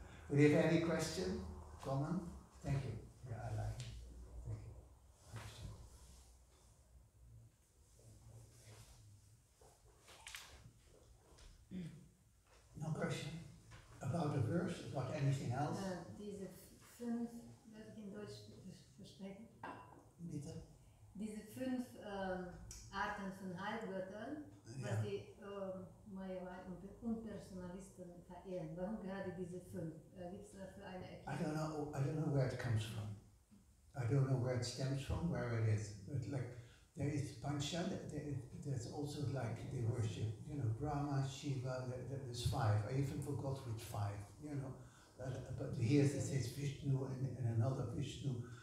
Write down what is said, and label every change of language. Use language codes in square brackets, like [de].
[de] Do you have any question, comment? Thank you. Yeah, I like it. No question about the verse, about anything else? Diese fünf, das in Deutsch versprechen. Bitte? Diese fünf Arten von Heilwörtern, was die Mayavai und Unpersonalisten verehren. Warum gerade diese fünf? Gibt es dafür eine Erklärung? [en] I don't know where it comes from. I don't know where it stems from, where it is. But like, there is Pancha, there's also like they worship, you know, Brahma, Shiva, there's five. I even forgot which five, you know. But here it says Vishnu and another Vishnu.